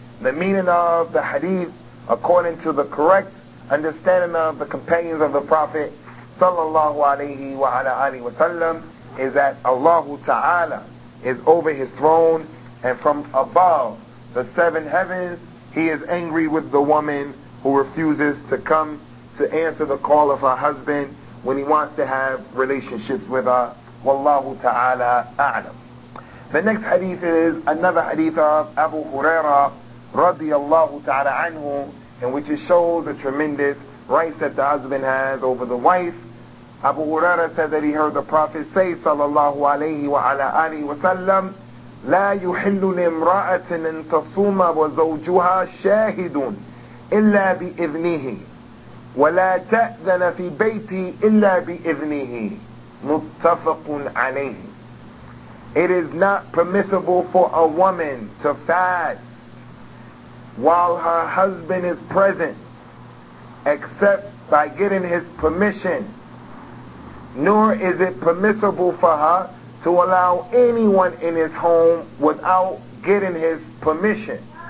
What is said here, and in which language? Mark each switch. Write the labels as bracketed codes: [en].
[en] The meaning of the hadith, according to the correct understanding of the companions of the Prophet sallallahu alayhi wa ala alihi wa sallam, is that Allah ta'ala is over his throne, and from above the seven heavens, he is angry with the woman who refuses to come to answer the call of her husband when he wants to have relationships with her. Wallahu ta'ala a'lam. The next hadith is another hadith of Abu Huraira radiyallahu ta'ala anhu, in which it shows the tremendous rights that the husband has over the wife. Abu Huraira said that he heard the Prophet say, sallallahu alayhi wa ala alihi wa sallam, [ar] لا يحل لامرأة أن تصوم وزوجها شاهد إلا بإذنه ولا تأذن في بيتي إلا بإذنه متفق عليه. [en] It is not permissible for a woman to fast while her husband is present except by getting his permission, nor is it permissible for her to allow anyone in his home without getting his permission.